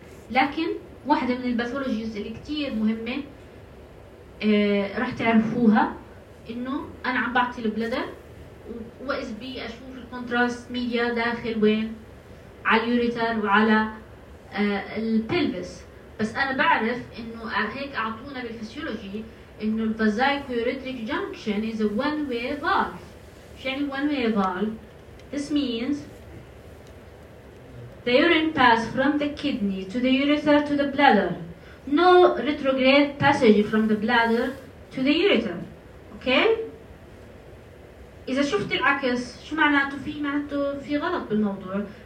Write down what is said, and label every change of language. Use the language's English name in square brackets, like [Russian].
[Arabic] لكن واحدة من الباثولوجيز اللي كتير مهمة راح تعرفوها انه انا عم بعطي البلادر واذ بي اشوف الكونتراست ميديا داخل وين؟ على اليوريتر وعلى البلبس. بس انا بعرف انه هيك اعطونا بالفسيولوجي انه الفازايكو يوريتريك جانكشن [English] is a one-way valve. يعني one-way valve this means the urine pass from the kidney to the urethra to the bladder, no retrograde passage from the bladder to the urethra. okay. [Arabic] اذا شفت العكس شو معناته؟ في معناته في غلط بالموضوع.